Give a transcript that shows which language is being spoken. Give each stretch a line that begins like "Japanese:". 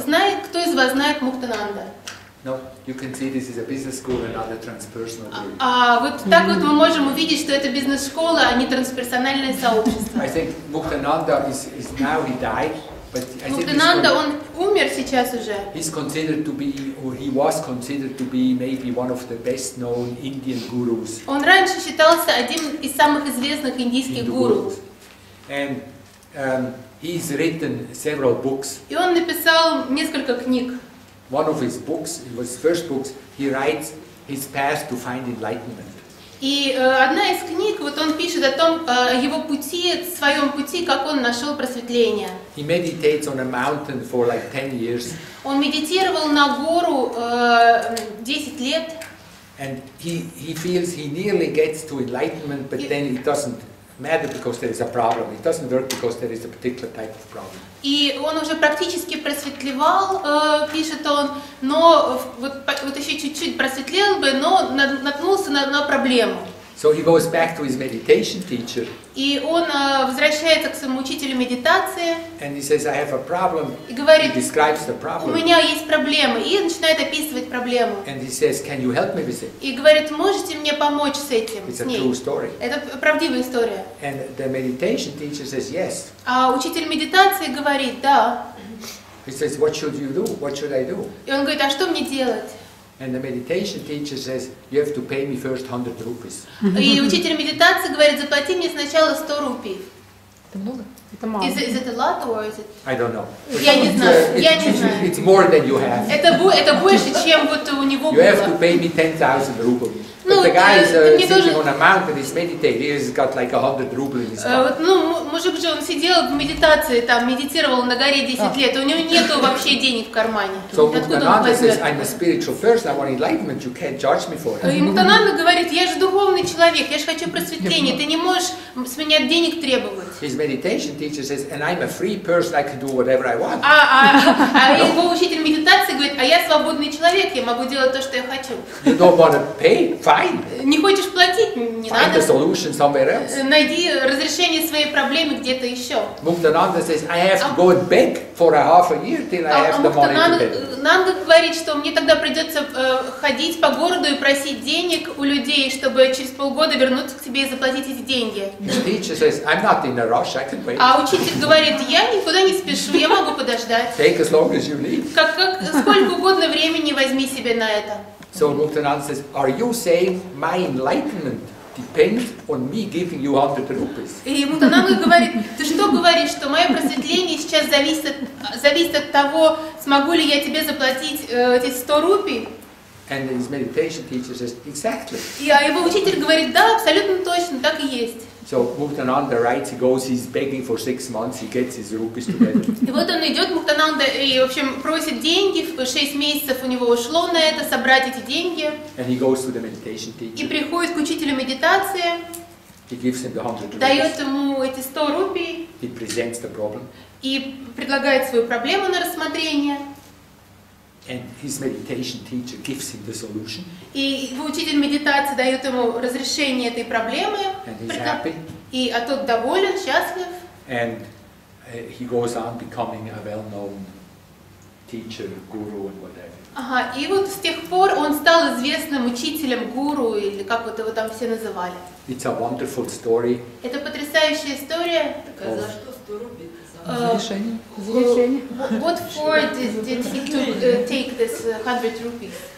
Russian: Знает, кто из вас знает Муктананда?
English: No, you can see this is a business school and not a transpersonal group.
Russian: А вот так вот мы можем увидеть, что это бизнес-школа, а не трансперсональное сообщество.
English: I think Muktananda is now he died, but I think
Russian: Muktananda, он умер сейчас уже.
English: He's considered to be, or he was considered to be maybe one of the best known Indian gurus.
Russian: Он раньше считался одним из самых известных индийских гуру.
English: And he's written several books.
Russian: И он написал несколько книг.
English: One of his books, it was his first books, he writes his path to find enlightenment.
Russian: И одна из книг, вот он пишет о том, его пути, в своем пути, как он нашел просветление.
English: He meditates on a mountain for like 10 years.
Russian: Он медитировал на гору 10 лет.
English: And he feels he nearly gets to enlightenment, but then it doesn't matter because there is a problem. It doesn't work because there is a particular type of problem.
Russian: И он уже практически просветлевал, пишет он, но вот еще чуть-чуть просветлел бы, но наткнулся на проблему.
English: So he goes back to his meditation teacher.
Russian: И он возвращается к своему учителю медитации.
English: And he says, I have a problem.
Russian: И говорит,
English: he describes the problem.
Russian: У меня есть проблемы. И начинает описывать проблему.
English: And he says, can you help me with it?
Russian: И говорит, можете мне помочь с этим?
English: It's a true story.
Russian: Это правдивая история.
English: And the meditation teacher says, yes.
Russian: А учитель медитации говорит, да.
English: He says, what should you do? What should I do?
Russian: И он говорит, а что мне делать?
English: And the meditation teacher says, you have to pay me first 100 rupees.
Russian: И учитель медитации говорит, заплати мне сначала 100 рупий. Это много? Это мало.
English: Is it a lot or is it? I don't know.
Russian: Я не знаю. Я не знаю.
English: It's more than you have.
Russian: Это больше, чем вот у него было.
English: You have to pay me 10,000 rubles. But the guy is sitting on a mountain, he's meditating, he's got like 100 rubles in his pocket.
Russian: Ну, мужик же, он сидел в медитации, там, медитировал на горе 10 лет, у него нету вообще денег в кармане.
English: So Muktananda says, I'm a spiritual person, I want enlightenment, you can't charge me for it.
Russian: И Muktananda говорит, я же духовный человек, я же хочу просветление, ты не можешь с меня денег требовать.
English: His meditation teacher says, and I'm a free person, I can do whatever I want.
Russian: А его учитель медитации говорит, а я свободный человек, я могу делать то, что я хочу.
English: You don't want to pay? Fine.
Russian: Не хочешь платить? Не
English: Find
Russian: надо.
English: A solution somewhere else.
Russian: Найди разрешение своей проблемы где-то еще.
English: Muktananda says, I have to go and beg for a half a year till I have the money to pay.
Russian: Нанда говорит, что мне тогда придется ходить по городу и просить денег у людей, чтобы через полгода вернуться к тебе и заплатить эти деньги.
English: His teacher says, I'm not in a rush, I can wait.
Russian: А учитель говорит, я никуда не спешу, я могу подождать.
English: Take as long as you need.
Russian: Как сколько угодно времени возьми себе на это.
English: So Muktananda says, are you saying my enlightenment depends on me giving you 100 rupees?
Russian: И Muktananda говорит, ты что говоришь, что мое просветление сейчас зависит от того, смогу ли я тебе заплатить эти 100 рупий?
English: And his meditation teacher says, exactly.
Russian: И его учитель говорит, да, абсолютно точно, так и есть.
English: So Muktananda writes, he goes, he's begging for 6 months, he gets his rupees together.
Russian: И вот он идет, Muktananda, и, в общем, просит деньги, 6 месяцев у него ушло на это, собрать эти деньги.
English: And he goes to the meditation teacher.
Russian: И приходит к учителю медитации.
English: He gives him the 100 rupees.
Russian: Дает ему эти 100 рупий.
English: He presents the problem.
Russian: И предлагает свою проблему на рассмотрение.
English: And his meditation teacher gives him the solution.
Russian: И его учитель медитации дает ему разрешение этой проблемы.
English: And he's happy.
Russian: И а тот доволен, счастлив.
English: And he goes on becoming a well-known teacher, guru, and whatever.
Russian: Ага, и вот с тех пор он стал известным учителем, гуру, или как вот его там все называли.
English: It's a wonderful story.
Russian: Это потрясающая история. Так, а за что 100 рублей?
English: What for did he to take this 100 rupees?